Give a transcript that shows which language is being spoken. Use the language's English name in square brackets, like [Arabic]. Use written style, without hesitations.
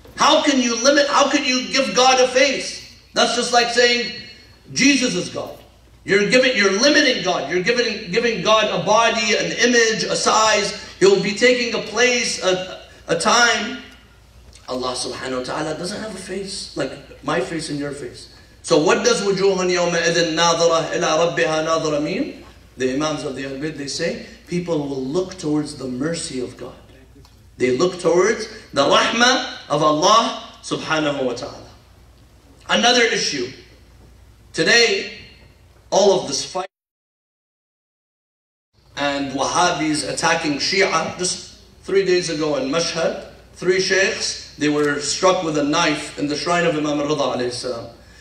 [English] How can you limit, how can you give God a face? That's just like saying, Jesus is God. You're limiting God. You're giving God a body, an image, a size. He'll be taking a place, a time. Allah subhanahu wa ta'ala doesn't have a face, like my face and your face. So what does [Arabic] وَجُوهٌ يَوْمَئِذٍ نَاظِرَةٌ إِلَىٰ رَبِّهَا نَاظِرَةٌ [English] mean? The Imams of the Ahlul Bayt, they say, people will look towards the mercy of God. They look towards the rahmah of Allah subhanahu wa ta'ala. Another issue. Today, all of this fight and Wahhabis attacking Shia, just 3 days ago in Mashhad, three sheikhs, they were struck with a knife in the shrine of Imam Rida alayhi salam.